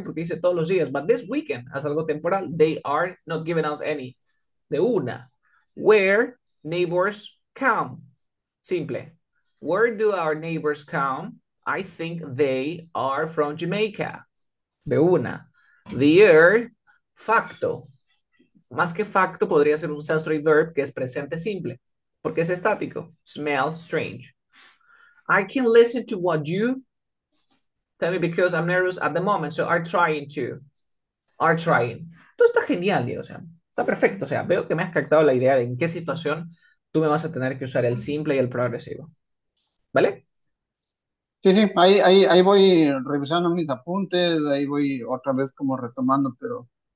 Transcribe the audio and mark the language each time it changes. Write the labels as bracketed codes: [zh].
[es] Porque dice todos los días, [en] but this weekend, [es] es algo temporal, [en] they are not giving us any. [es] De una. [en] Where neighbors come. Simple. Where do our neighbors come? I think they are from Jamaica. [es] De una. [en] The Earth, [es] facto. Más que facto, podría ser un sensory verb que es presente simple, porque es estático. [en] Smells strange. I can listen to what you tell me because I'm nervous at the moment, so are trying. [es] Todo está genial, tío. O sea, está perfecto. O sea, veo que me has captado la idea de en qué situación tú me vas a tener que usar el simple y el progresivo. ¿Vale? Sí, ahí voy revisando mis apuntes, ahí voy otra vez como retomando, pero